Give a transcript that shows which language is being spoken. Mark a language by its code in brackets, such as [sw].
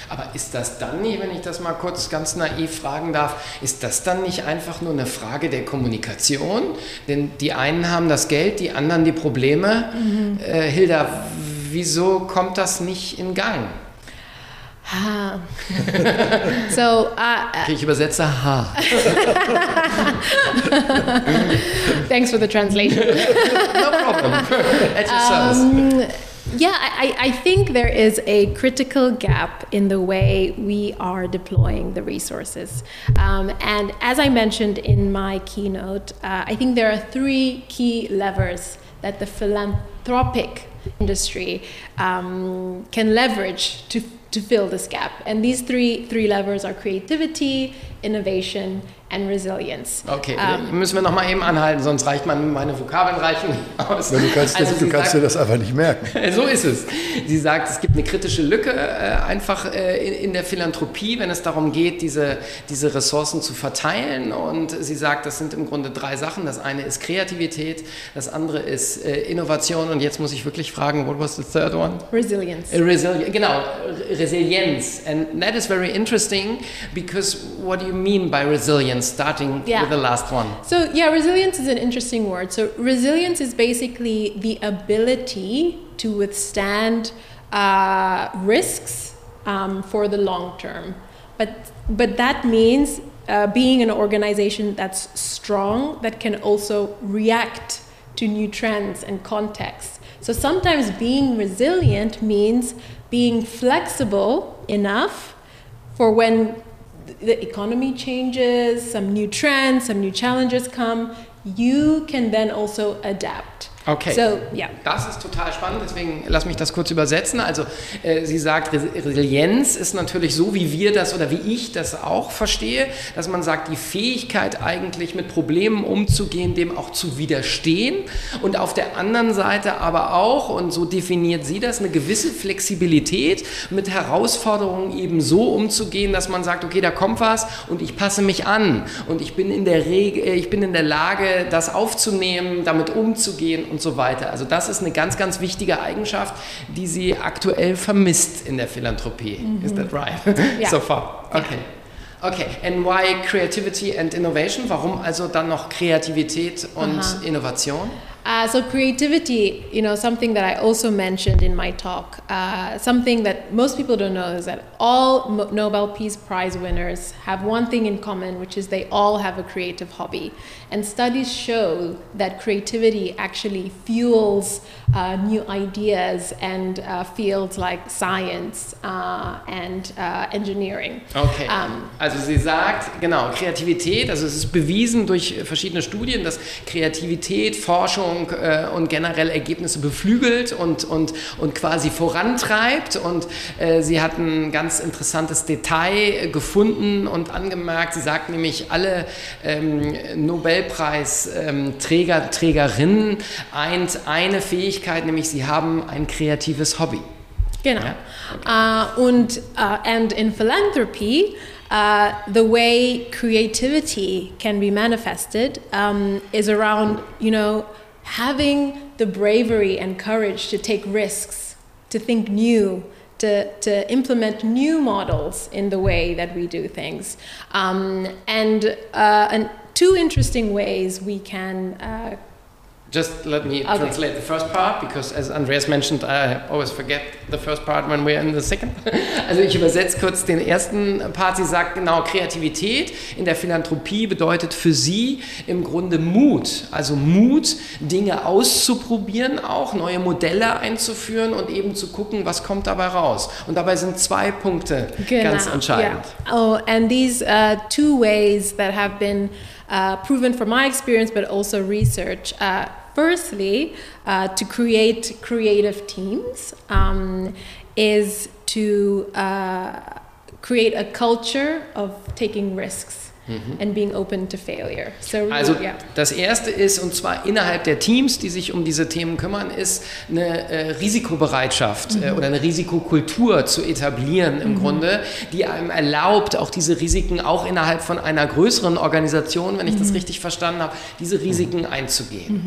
[de] Aber ist das dann nicht, wenn ich das mal kurz ganz naiv fragen darf, ist das dann nicht einfach nur eine Frage der Kommunikation? Denn die einen haben das Geld, die anderen die Probleme. Mhm. Hilda, wieso kommt das nicht in Gang? Ha. So, okay, ich übersetze ha. [en] Thanks for the translation. No problem. At your service. Yeah, I think there is a critical gap in the way we are deploying the resources. And as I mentioned in my keynote, I think there are three key levers that the philanthropic industry can leverage to fill this gap. And these three levers are creativity, innovation, and resilience. [de] Okay, müssen wir noch mal eben anhalten, sonst reicht man meine Vokabeln reichen aus. Ja, du kannst dir das einfach nicht merken. So ist es. Sie sagt, es gibt eine kritische Lücke einfach in der Philanthropie, wenn es darum geht, diese Ressourcen zu verteilen. Und sie sagt, das sind im Grunde drei Sachen. Das eine ist Kreativität, das andere ist Innovation. Und jetzt muss ich wirklich fragen, [en] what was the third one? Resilience. [de] Resilienz. [en] And that is very interesting, because what do you mean by resilience? Starting with the last one. So yeah, resilience is an interesting word. So resilience is basically the ability to withstand risks for the long term. But that means being an organization that's strong, that can also react to new trends and contexts. So sometimes being resilient means being flexible enough for when the economy changes, some new trends, some new challenges come, you can then also adapt. Okay, so, [de] das ist total spannend, deswegen lass mich das kurz übersetzen. Also sie sagt, Resilienz ist natürlich so, wie wir das oder wie ich das auch verstehe, dass man sagt, die Fähigkeit eigentlich mit Problemen umzugehen, dem auch zu widerstehen, und auf der anderen Seite aber auch, und so definiert sie das, eine gewisse Flexibilität mit Herausforderungen eben so umzugehen, dass man sagt, okay, da kommt was und ich passe mich an und ich bin in der Lage, das aufzunehmen, damit umzugehen und so weiter. Also das ist eine ganz, ganz wichtige Eigenschaft, die sie aktuell vermisst in der Philanthropie. [en] Mm-hmm. Is that right? Yeah. So far. Okay. Okay. And why creativity and innovation? [de] Warum also dann noch Kreativität und Innovation? [en] So creativity, you know, something that I also mentioned in my talk, something that most people don't know is that all Nobel Peace Prize winners have one thing in common, which is they all have a creative hobby. And studies show that creativity actually fuels new ideas and fields like science and engineering. [de] Okay, also sie sagt, genau, Kreativität, also es ist bewiesen durch verschiedene Studien, dass Kreativität, Forschung, Forschung und generell Ergebnisse beflügelt und quasi vorantreibt. Und sie hat ein ganz interessantes Detail gefunden und angemerkt. Sie sagt nämlich, alle Nobelpreisträger, Trägerinnen eint eine Fähigkeit, nämlich sie haben ein kreatives Hobby. Genau. [en] And in philanthropy, the way creativity can be manifested is around, you know, having the bravery and courage to take risks, to think new, to implement new models in the way that we do things. And two interesting ways we can Just let me translate the first part, because as Andreas mentioned, I always forget the first part when we're in the second. [de] Also ich übersetze kurz den ersten Part. Sie sagt genau, Kreativität in der Philanthropie bedeutet für sie im Grunde Mut. Also Mut, Dinge auszuprobieren auch, neue Modelle einzuführen und eben zu gucken, was kommt dabei raus. Und dabei sind zwei Punkte ganz entscheidend. [en] Yeah. Oh, and these two ways that have been proven from my experience, but also research. Firstly, to create creative teams is to create a culture of taking risks. Mhm. And being open to failure. [de] So, also das Erste ist, und zwar innerhalb der Teams, die sich um diese Themen kümmern, ist eine Risikobereitschaft oder eine Risikokultur zu etablieren im Grunde, die einem erlaubt, auch diese Risiken auch innerhalb von einer größeren Organisation, wenn ich das richtig verstanden habe, diese Risiken einzugehen.